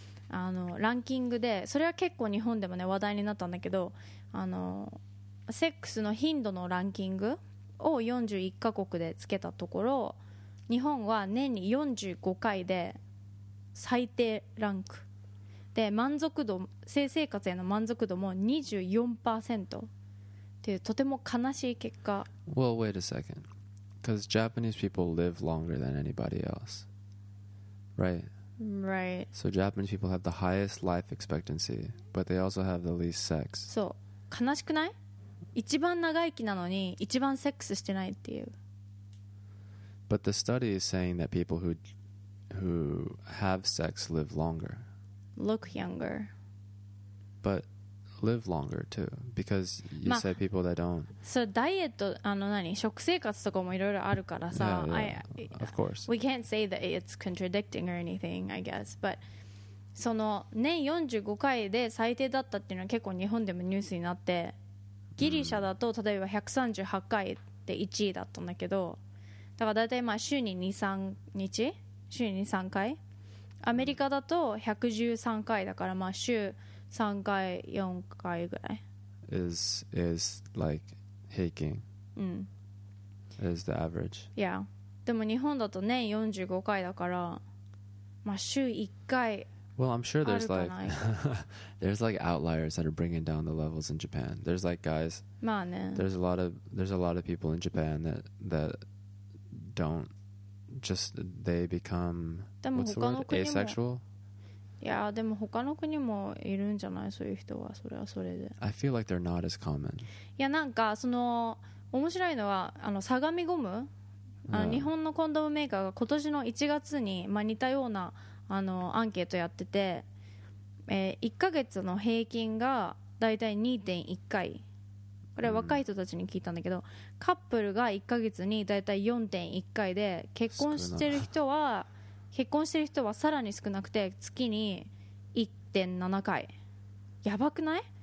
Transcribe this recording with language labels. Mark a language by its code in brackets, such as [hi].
[ja] あのランキングでそれは結構日本でもね話題になったんだけどあのセックスの頻度のランキングを41カ国でつけたところ日本は年に45回で最低ランクで満足度性生活への満足度も 24% というとても悲しい結果 [en] Well, wait a second. Because Japanese people live longer than anybody else. Right? Right. So Japanese people have the highest life expectancy, but they also have the least sex. [ja] そう。悲しくない? 一番長生きなのに一番セックスしてないっていう。 [en] But the study is saying that people who have sex live longer. Look younger. But live longer too. Because you、まあ、said people that don't. So diet, [ja] あの何食生活とかもいろいろあるからさ。 [en] Yeah, yeah. Of course. We can't say that it's contradicting or anything, I guess. [ja] But その年45回で最低だったっていうのは結構日本でもニュースになって。ギリシャだと例えば138回で1位だったんだけどだからだいたいまあ週に 2、3日週に 2、3 回アメリカだと113回だからまあ週3回4回ぐらい [en] is like [ja] 平均、うん、 [en] is the average、 yeah. [ja] でも日本だと年45回だからまあ週1回 [en] Well, I'm sure there's like there's like outliers that are bringing down the levels in Japan. There's like guys. [ja] まあね。 [en] There's a lot of people in Japan that don't just they become what's the word? Asexual. [ja] Yeah, でも他の国もいるんじゃない? そういう人は、それはそれで。 [en] I feel like they're not as common. [ja] いや、なんかその面白いのはあの相模ゴム、あの日本のコンドームメーカーが今年の1月にまあ似たようなあのアンケートやってて、1ヶ月の平均がだいたい 2.1 回、これは若い人たちに聞いたんだけど、うん、カップルが1ヶ月にだいたい 4.1 回で結婚してる人はさらに少なくて月に 1.7 回、やばくない？